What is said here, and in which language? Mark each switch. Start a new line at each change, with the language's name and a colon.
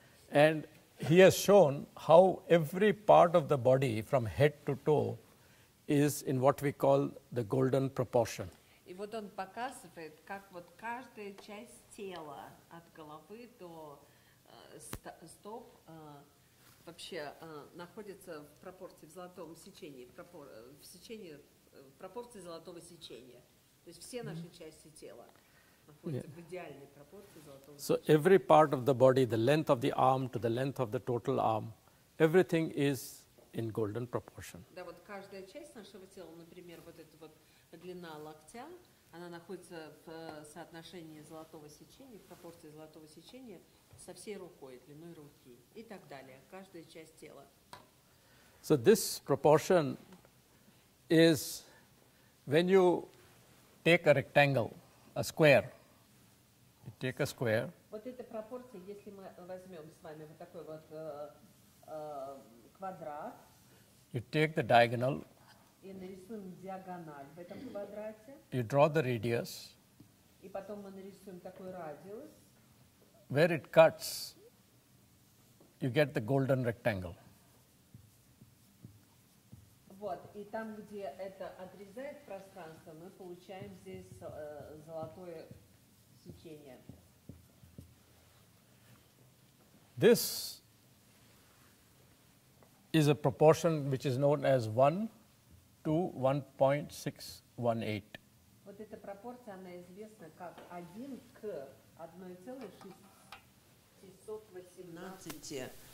English: And he has shown how every part of the body, from head to toe, is in what we call the golden proportion.
Russian: И вот он показывает, как вот каждая часть тела, от головы до стоп, вообще находится в пропорции, в золотом сечении, в пропорции золотого сечения. То есть все наши части тела находятся в идеальной пропорции золотого сечения.
English: So every part of the body, the length of the arm to the length of the total arm, everything is in golden proportion.
Russian: Да, вот каждая часть нашего тела, например, вот эта вот длина локтя, она находится в соотношении золотого сечения, в пропорции золотого сечения со всей рукой, длиной руки и так далее, каждая часть тела.
English: So this proportion is when you take a rectangle, a square. You take a square.
Russian: Вот эта пропорция, если мы возьмем с вами вот такой вот квадрат.
English: You take the diagonal.
Russian: И нарисуем диагональ в этом квадрате.
English: You draw the radius.
Russian: И потом мы нарисуем такой радиус.
English: Where it cuts, you get the golden rectangle.
Russian: Вот, и там, где это отрезает пространство, мы получаем здесь золотое сечение.
English: This is a proportion which is known as 1:1.618.
Russian: Вот эта пропорция, она известна как 1:1,618.